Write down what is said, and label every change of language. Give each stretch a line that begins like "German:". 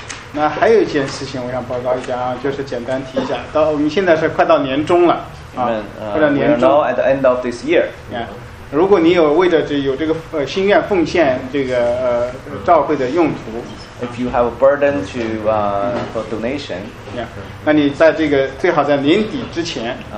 Chinese: 那还有一件事情我想报告一下就是简单提一下到我们现在是快到年终了。
English: Amen. We are now at the end of this year. Yeah.
Chinese: 如果你有为着这有这个心愿奉献这个召会的用途
English: ，If you have a burden to for donation, yeah.
Chinese: 那你在这个最好在年底之前